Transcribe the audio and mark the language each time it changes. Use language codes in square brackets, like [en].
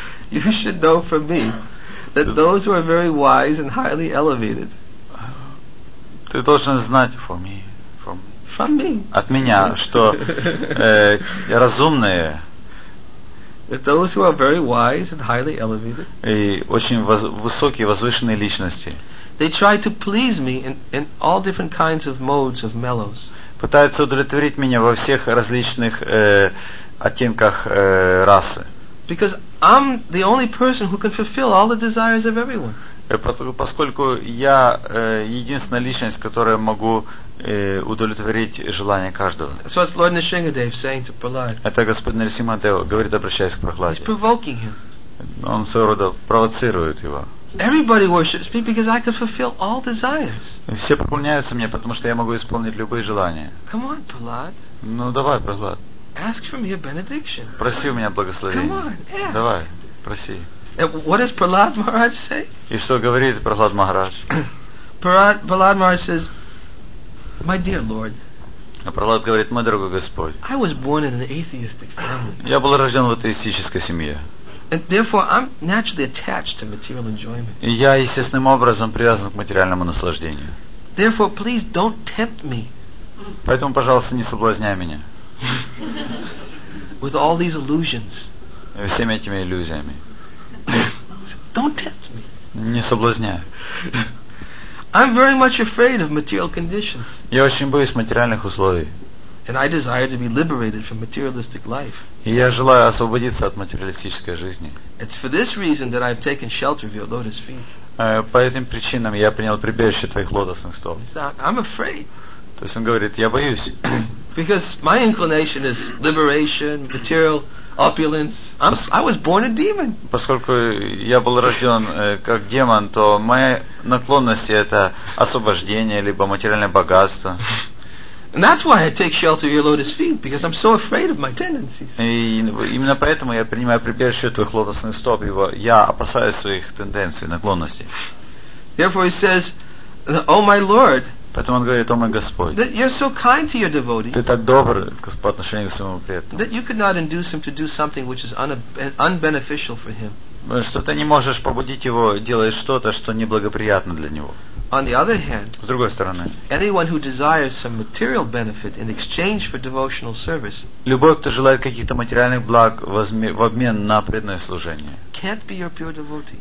[en] You should know from me that those who are very wise and highly elevated. [ru] Ты должен знать [en] from me, from. From me. [ru] От меня, что разумные. [en] That those who are very wise and highly elevated. [ru] И очень высокие возвышенные личности. [en] They try to please me in all different kinds of modes of mellows. [ru] Пытаются удовлетворить меня во всех различных оттенках расы. [en] Because I'm the only person who can fulfill all the desires of everyone. [ru] Поскольку я единственная личность, которая могу удовлетворить желания каждого. [en] So it's Lord Nrisimhadev saying to Prahlad. [ru] Это Господь Нарасимхадев говорит, обращаясь к Прохладе. [en] He's provoking him. [ru] Он своего рода провоцирует его. [en] Everybody worships me because I can fulfill all desires. [ru] Все поклоняются мне, потому что я могу исполнить любые желания. [en] Come on, Prahlad. [ru] Ну давай, Прохлад. [en] Ask for me a benediction. [ru] Проси у меня благословение. [en] Come on, ask. [ru] Давай, проси. [en] And what does Prahlad Maharaj say? [ru] И что говорит Прохлад Махарадж? [en] Prahlad Maharaj says, "My dear Lord." [ru] А Прохлад говорит, мой дорогой Господь. [en] I was born in an atheistic family. [ru] Я был рожден в атеистической семье. [en] And therefore, I'm naturally attached to material enjoyment. [ru] Я естественным образом привязан к материальному наслаждению. [en] Therefore, please don't tempt me. [ru] Поэтому, пожалуйста, не соблазняй меня. [en] With all these illusions. [ru] Всеми этими иллюзиями. [en] Don't tempt me. [ru] Не соблазняй. [en] I'm very much afraid of material conditions. [ru] Я очень боюсь материальных условий. [en] And I desire to be liberated from materialistic life. [ru] И я желаю освободиться от материалистической жизни. [en] It's for this reason that I've taken shelter of your lotus feet. [ru] По этим причинам я принял прибежище твоих лотосных стоп. [en] I'm afraid. [ru] То есть он говорит, я боюсь. [en] Because my inclination is liberation, material opulence. I was born a demon. [ru] Поскольку я был рожден как демон, то моя наклонность это освобождение либо материальное богатство. [en] And that's why I take shelter of your lotus feet, because I'm so afraid of my tendencies. [ru] И именно поэтому я принимаю прибежище твоих лотосных стоп, ибо я опасаюсь своих тенденций, наклонностей. [en] Therefore he says, "Oh my Lord." [ru] Поэтому он говорит: "О мой Господь." [en] That you're so kind to your devotee. [ru] Ты так добр по отношению к своему преданному. [en] That you could not induce him to do something which is unbeneficial for him. [ru] Что ты не можешь побудить его делать что-то, что неблагоприятно для него. [en] On the other hand, [ru] с другой стороны, [en] anyone who desires some material benefit in exchange for devotional service, [ru] любой, кто желает каких-то материальных благ в обмен на преданное служение, [en] can't be your pure devotee.